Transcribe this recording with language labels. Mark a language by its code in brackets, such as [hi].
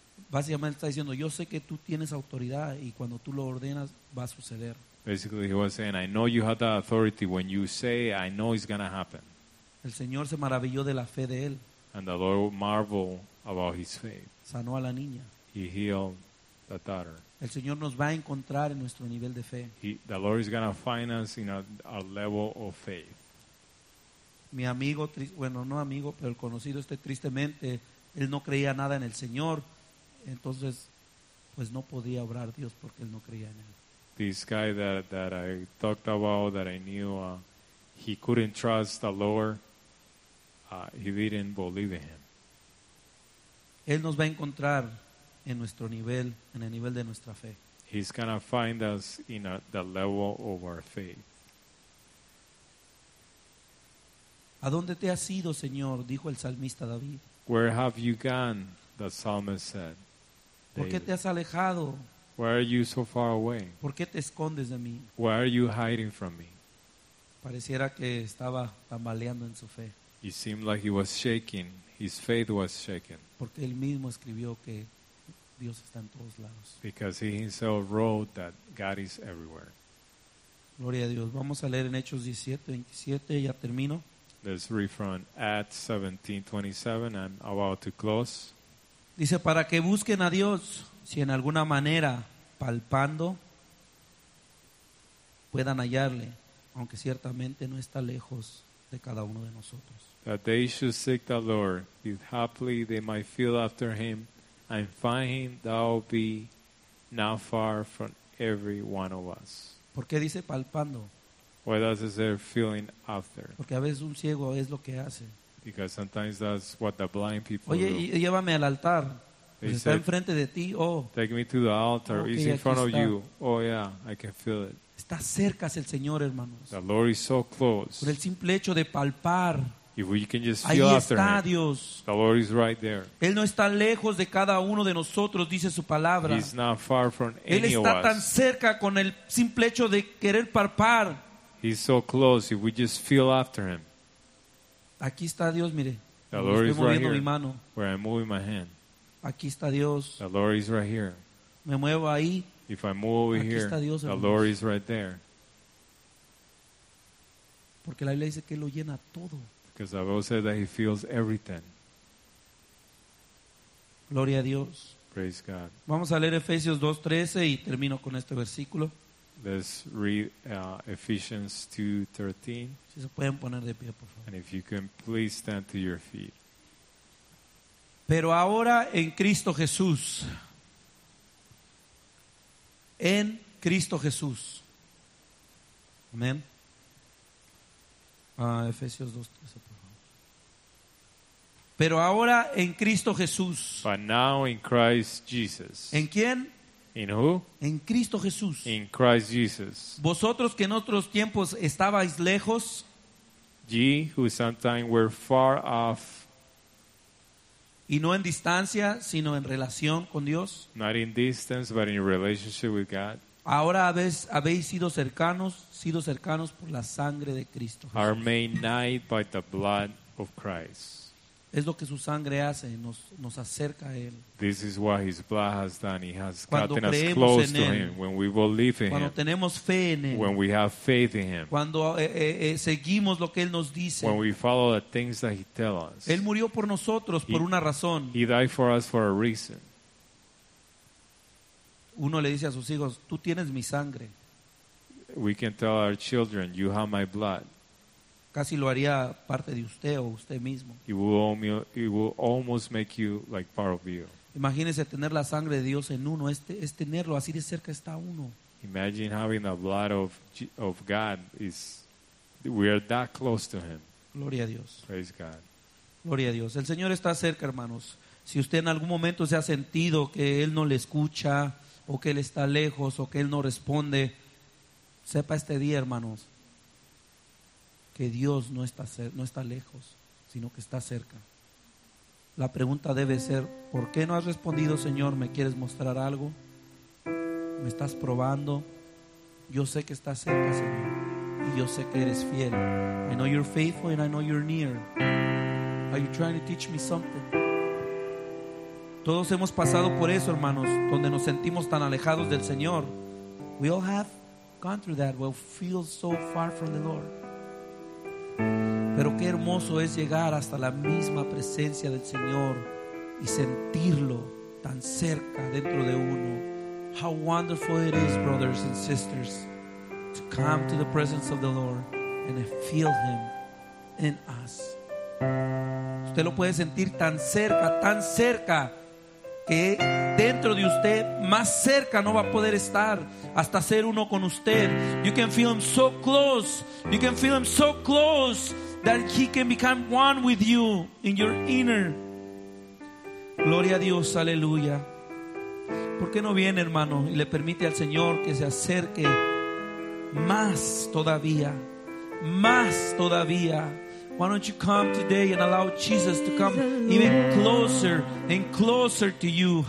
[es] Básicamente está diciendo, yo sé que tú tienes autoridad y cuando tú lo ordenas va a suceder. [en] Basically he was saying, I know you have the authority when you say, I know it's going to happen. [es] El Señor se maravilló de la fe de él. [en] And the Lord marveled about his faith. [es] Sanó a la niña. [en] He healed the daughter. [es] El Señor nos va a encontrar en nuestro nivel de fe. [en] The Lord is going to find us in our level of faith. [es] Mi amigo, bueno, no amigo, pero el conocido este tristemente, él no creía nada en el Señor. Entonces, pues no podía obrar Dios porque él no creía en él. [en] This guy that I talked about, that I knew, he couldn't trust the Lord. He didn't believe in him. [es] Él nos va a encontrar en nuestro nivel, en el nivel de nuestra fe. [en] He's gonna find us in the level of our faith. [es] ¿A dónde te has ido, Señor? Dijo el salmista David. [en] Where have you gone? The psalmist said. [es] ¿Por qué te has alejado? [en] Why are you so far away? [es] ¿Por qué te escondes de mí? [en] Why are you hiding from me? [es] Pareciera que estaba tambaleando en su fe. [en] It seemed like he was shaking. His faith was shaken. [es] Porque él mismo escribió que Dios está en todos lados. [en] Because he himself wrote that God is everywhere. [es] Gloria a Dios. Vamos a leer en Hechos 17:27. Ya termino. [en] Let's read from Acts 17:27. I'm about to close. [es] Dice, para que busquen a Dios, si en alguna manera, palpando, puedan hallarle, aunque ciertamente no está lejos de cada uno de nosotros. [en] That they should seek the Lord, if haply they might feel after him, and find him, thou be not far from every one of us. [es] ¿Por qué dice palpando? [en] Why does it say feeling after? [es] Porque a veces un ciego es lo que hace. [en] Because sometimes that's what the blind people [es] Oye, [en] do. [es] Oye, llévame al altar. Pues está enfrente de ti. Oh. [en] Take me to the altar. Okay, it's in front of you. Oh yeah, I can feel it. [es] Está cerca el Señor, hermanos. [en] The Lord is so close. [es] Por el simple hecho de palpar. [en] If we can just feel [es] Ahí está [en] after [es] Dios. [en] Him, the Lord is right there. [es] Él no está lejos de cada uno de nosotros, dice su palabra. [en] He's not far from any of us. [es] Él está tan cerca con el simple hecho de querer palpar. [en] He's so close if we just feel after him. [es] Aquí está Dios, mire. [en] The Lord [es] estoy [en] is right here. [es] Mi mano. [en] Where I'm moving my hand. [es] Aquí está Dios. [en] The Lord is right here. [es] Me muevo ahí. [en] If I move over [es] Aquí [en] here, [es] está Dios, [en] the Lord is right there. [es] Porque la Biblia dice que lo llena todo. [en] Because the Bible says that he feels everything. [es] Gloria a Dios. [en] Praise God. [es] Vamos a leer Efesios 2:13 y termino con este versículo. [en] Let's read Ephesians 2:13. [es] Si se pueden poner de pie, por favor. [en] And if you can please stand to your feet. [es] Pero ahora en Cristo Jesús. En Cristo Jesús. Amén. Efesios 2:13, por favor. Pero ahora en Cristo Jesús. [en] But now in Christ Jesus. [es] ¿En quién? [en] In who? [es] En Cristo Jesús. [en] In Christ Jesus. [es] Vosotros que en otros tiempos estabais lejos. [en] Ye who sometimes were far off. [es] Y no en distancia, sino en relación con Dios. [en] Not in distance, but in relationship with God. [es] Ahora habéis sido cercanos por la sangre de Cristo Jesús. [en] Are made nigh by the blood of Christ. [es] Es lo que su sangre hace, nos acerca a él. [en] This is what his blood has done. He has [es] cuando [en] gotten us close to [es] él, [en] him. When we believe in [es] cuando [en] him. [es] Tenemos fe en él. [en] When we have faith in him. [es] Cuando seguimos lo que él nos dice. [en] When we follow the things that he tells us. [es] Él murió por nosotros por una razón. [en] He died for us for a reason. [es] Uno le dice a sus hijos, tú tienes mi sangre. [en] We can tell our children, you have my blood. [es] Casi lo haría parte de usted o usted mismo. [en] It will almost make you like part of you. [es] Imagínese tener la sangre de Dios en uno, es tenerlo así de cerca está uno. [en] Imagine having the blood of God is we are that close to him. [es] Gloria a Dios. [en] Praise God. [es] Gloria a Dios. El Señor está cerca, hermanos. Si usted en algún momento se ha sentido que él no le escucha o que él está lejos o que él no responde, sepa este día, hermanos, que Dios no está lejos, sino que está cerca. La pregunta debe ser, ¿por qué no has respondido, Señor? ¿Me quieres mostrar algo? ¿Me estás probando? Yo sé que estás cerca, Señor, y yo sé que eres fiel. [en] I know you're faithful and I know you're near. Are you trying to teach me something? [es] Todos hemos pasado por eso, hermanos, donde nos sentimos tan alejados del Señor. [en] We all have gone through that. We feel so far from the Lord. [es] Pero qué hermoso es llegar hasta la misma presencia del Señor y sentirlo tan cerca dentro de uno. [en] How wonderful it is, brothers and sisters, to come to the presence of the Lord and feel him in us. [es] Usted lo puede sentir tan cerca, que dentro de usted, más cerca no va a poder estar hasta ser uno con usted. [en] You can feel him so close. You can feel him so close that he can become one with you in your inner. [es] Gloria a Dios, aleluya. ¿Por qué no viene, hermano, y le permite al Señor que se acerque más todavía? Más todavía. [en] Why don't you come today and allow Jesus to come even closer and closer to you?